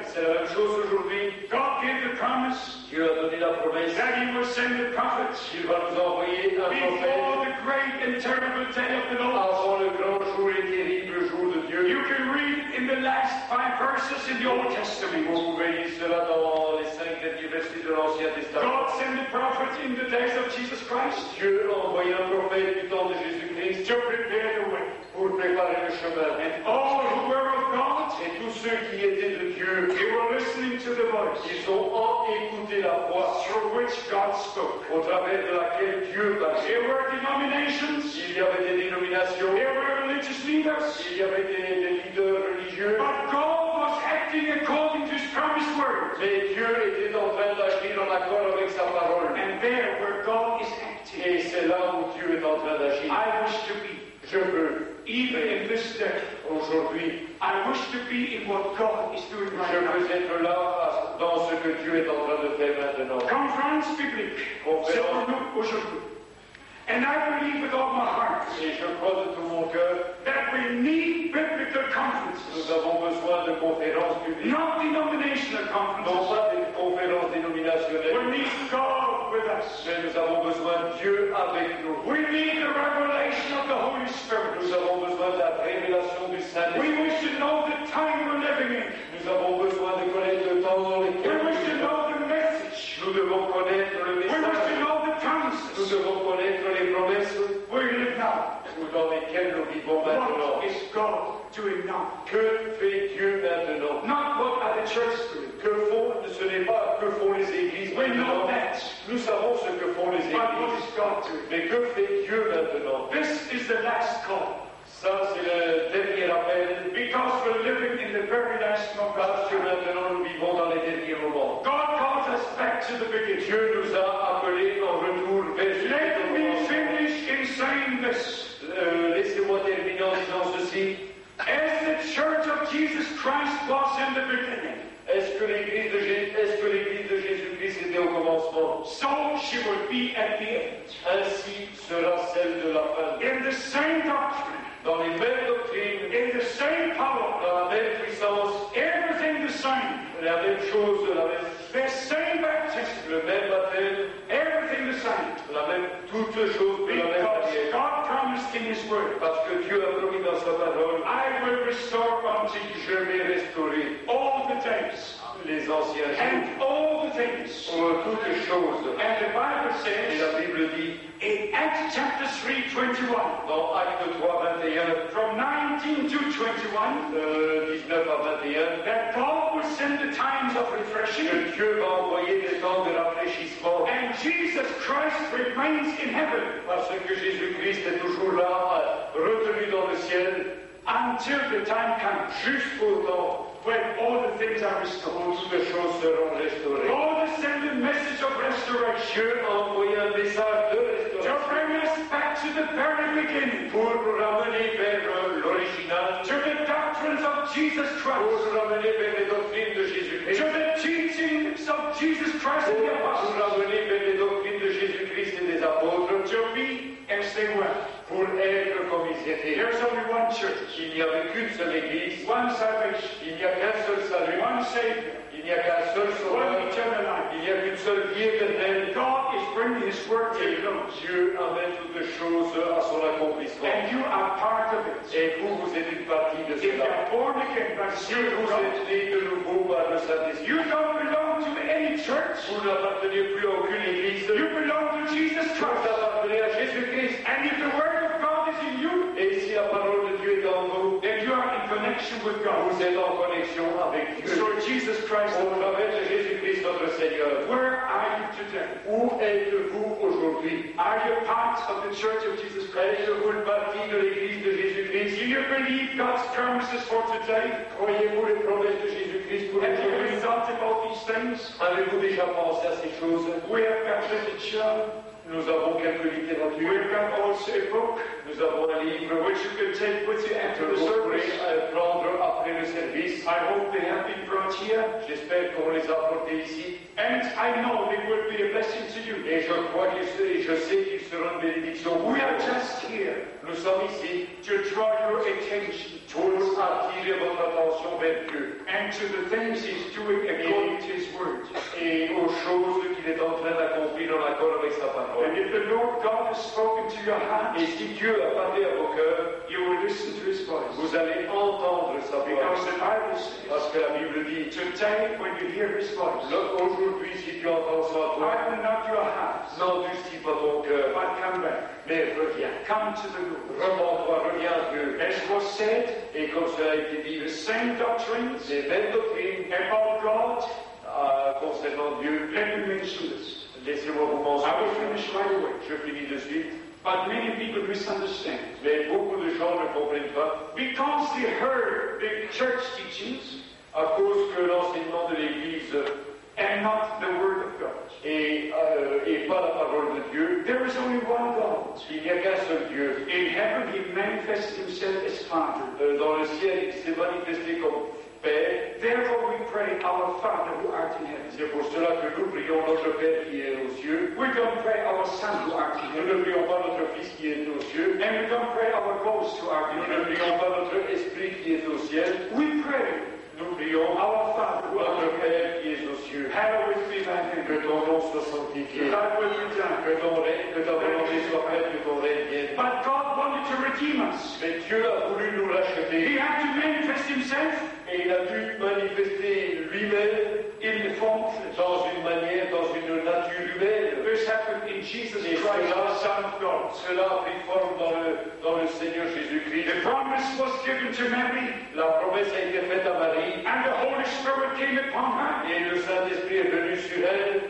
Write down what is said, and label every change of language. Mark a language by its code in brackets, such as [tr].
[fr] C'est la même chose aujourd'hui. [en] God gave the promise. [fr] Dieu a donné la promesse. [en] That He will send the prophets. [fr] Il va nous envoyer un prophète. [en] Before the great and terrible day of the Lord. You can read in the last five verses in the Old Testament. [fr] Vous pouvez lire cela dans les cinq derniers versets de l'Ancien Testament. [en] God sent a prophet in the days of Jesus Christ. [fr] Dieu a envoyé un prophète du temps de Jésus-Christ. [en] To prepare the way. [fr] Pour préparer le chemin. [en] And all who were of God. [fr] Et tous ceux qui étaient de Dieu. [en] They were listening to the voice. [fr] Ils ont écouté la voix. [en] Through which God spoke. [fr] Au travers de laquelle Dieu parlait. [en] There were denominations. [fr] Il y avait des dénominations. [en] There were religious leaders. [fr] Il y avait des leaders religieux. [en] But God was acting according to His promised word. [fr] Mais Dieu était en train d'agir en accord avec sa parole. [en] And there where God is acting. [fr] Et c'est là où Dieu est en train d'agir. [en] I wish to be. [fr] Je veux. [en] Even in this day, [fr] aujourd'hui, [en] I wish to be in what God is doing right [fr] je [en] now. [fr] Je veux être là dans ce que Dieu est en train de faire maintenant. Conférence biblique. Conférence. C'est pour nous aujourd'hui. [en] And I believe with all my heart. [fr] Et je crois de tout mon cœur. [en] That we need biblical conferences. [fr] Nous avons besoin de conférences bibliques. [en] Not denominational conferences. [fr] Non pas des conférences dénominationnelles. [en] We need God with us. [fr] Mais nous avons besoin de Dieu avec nous. [en] We need the revelation of the Holy Spirit. [fr] Nous avons besoin de la révélation du Saint-Esprit. [en] We wish to know the time we're living in. [fr] Nous avons besoin de connaître le temps dans lequel [en] we wish to know the message. [fr] Nous devons connaître le message. [en] We wish to know the promises. [fr] Nous devons connaître les promesses. [en] We live now. [fr] Dans lesquels nous vivons maintenant. [en] What is God doing now? [fr] Que fait Dieu maintenant? [en] Not what are the churches doing? [fr] Que font, ce n'est pas que font les églises. [en] We know that. [fr] Nous savons ce que font les églises. [en] But what is God doing? [fr] Mais que fait Dieu maintenant? [en] This is the last call. [fr] Ça, c'est le dernier appel. [en] Because we're living in the very last moment. [fr] Parce que maintenant nous vivons dans les derniers moments. [en] God calls us back to the beginning. [fr] Dieu nous a appelés en retour vers le commencement. [en] Let me finish in saying this. [fr] Laissez-moi terminer en disant ceci. [en] As the Church of Jesus Christ was in the beginning. [fr] Est-ce que l'Église de Jésus-Christ était au commencement? [en] So she will be at the end. [fr] Ainsi sera celle de la fin. [en] In the same doctrine. [fr] Dans les mêmes doctrines. [en] In the same power. [fr] Dans la même puissance. [en] Everything the same. [fr] La même chose, la même. [en] The same baptism. [fr] Le même baptême. [en] Everything the same. [fr] La même, toute chose de la même manière. [en] God promised in His word. [fr] Parce que Dieu a promis dans sa parole. [en] I will restore unto you. [fr] Je vais restaurer. [en] All the days. [fr] Les anciens jours. [en] And all the things. [fr] Toutes les choses. [en] And the Bible says. [fr] Et la Bible dit. [en] In Acts chapter 3:21. [fr] Dans Acte 3:21. [en] From 19 to 21. [fr] 19 à 21. [en] That God will send the times of refreshing. [fr] Que Dieu va envoyer des temps de rafraîchissement. [en] And Jesus Christ remains in heaven. [fr] Parce que Jésus Christ est toujours là, retenu dans le ciel. [en] Until the time comes. [fr] Jusqu'au temps. [en] When all the things are restored, [fr] toutes les choses seront restaurées. [en] God has sent a message of restoration. [fr] Dieu a envoyé un message de restauration. [en] To bring us back to the very beginning. [fr] Pour nous ramener vers l'original. [en] To the doctrines of Jesus Christ. [fr] Pour nous ramener vers les doctrines de Jésus-Christ. [en] To the teachings of Jesus Christ and the apostles. [fr] Pour nous ramener vers les doctrines de Jésus-Christ et des apôtres. [en] To be as they were. [fr] pour être comme ils étaient. [en] There's only one church. [fr] Il n'y avait qu'une seule église. [en] One salvation. [fr] Il n'y a qu'un seul salut. [en] One Savior. [fr] Il n'y a qu'un seul sauveur. [en] One eternal life. [fr] Il n'y a qu'une seule vie éternelle. [en] God is bringing His work to you. [fr] Dieu amène toutes les choses à son accomplissement. [en] And you are part of it. [fr] Et vous êtes une partie de cela. [en] If you are born again by Spirit, [fr] vous êtes né de nouveau par le Saint-Esprit. [en] You don't belong to any church. [fr] Vous n'appartenez plus à aucune église. [en] You belong to Jesus Christ. [fr] Vous appartenez à Jésus Christ. [en] And if the word of God is in you, [fr] et si la parole de Dieu est en vous, [en] then you are in connection with God. [fr] Vous êtes en connexion avec Dieu. [en] So Jesus Christ, [fr] au travers de Jésus Christ notre Seigneur, [en] where are you today? [fr] Où êtes-vous aujourd'hui? [en] Are you part of the Church of Jesus Christ? [fr] Êtes-vous une partie de l'Église de Jésus Christ? [en] Do you believe God's promises for today? [fr] Croyez-vous les promesses de Jésus Christ pour aujourd'hui? [en] Have you really thought about these things? [fr] Avez-vous déjà pensé à ces choses? [en] We have got literature. [fr] Nous avons quelques littératures. [en] We have also a book. [fr] Nous avons un livre. [en] Which you can take with you after the service. [fr] Prendre après le service. [en] I hope they have been brought here. [fr] J'espère qu'on les a portés ici. [en] And I know they will be a blessing to you. [fr] Et je crois qu'ils seront, et je sais qu'ils seront une bénédiction. [en] We are just here. [fr] Nous sommes ici. [en] To draw your attention. [fr] Pour attirer votre attention vers Dieu. [en] And to the things He's doing according to His word. [fr] Et aux choses qu'il est en train d'accomplir en accord avec sa parole. [en] And if the Lord God has spoken to your heart, [fr] et si Dieu a parlé à vos cœurs, [en] you will listen to His voice. [fr] Vous allez entendre sa voix. [en] Because the Bible says, [fr] parce que la Bible dit, [en] today when you hear His voice, [fr] aujourd'hui si tu entends sa voix, [en] harden not your hearts, [fr] n'endurcis pas ton cœur, [en] but come back. [fr] Mais reviens. [en] Come to the Lord. [fr] Rends-toi, reviens à Dieu. [en] As was said, [fr] et comme cela a été dit, [en] the same doctrines, [fr] les mêmes doctrines, [en] about God, [fr] concernant Dieu, [en] let me mention this. [fr] Laissez-moi vous penser. [en] I will finish right away. [fr] Je finis de suite. [en] But many people misunderstand. [fr] Mais beaucoup de gens ne comprennent pas. [en] Because they heard the church teachings, [fr] à cause que l'enseignement de l'Église, [en] and not the word of God. [fr] Et pas la parole de Dieu. [en] There is only one God. [fr] Il n'y a qu'un seul Dieu. [en] In heaven He manifests Himself as Father. [fr] Dans le ciel, il s'est manifesté comme Père. [en] Therefore we pray our Father who art in heaven. [fr] C'est pour cela que nous prions notre Père qui est aux cieux. [en] We don't pray our Son who art in heaven. [fr] Nous ne prions pas notre Fils qui est aux cieux. [en] And we don't pray our Ghost who art in heaven. [fr] Nous ne prions pas notre Esprit qui est au ciel. [en] We pray. [fr] Nous prions [en] our Father, [fr] notre Père qui est aux cieux. [en] Hallowed be thy name. [fr] Que ton nom soit sanctifié. [en] That will be done. [fr] Que ton règne, que ta volonté soit faite, que ton règne vienne. [en] But God wanted to redeem us. [fr] Mais Dieu a voulu nous racheter. [en] He had to manifest Himself. [fr] Et il a dû manifester lui-même. [en] In the form of flesh. [fr] Dans une manière, dans une nature humaine. [en] This happened in Jesus Christ, the Son of God. [fr] Cela a pris forme dans le Seigneur Jésus-Christ. [en] The promise was given to Mary. [fr] La promesse a été faite à Marie. [en] And the Holy Spirit came upon her. [fr] Et le Saint-Esprit est venu sur elle.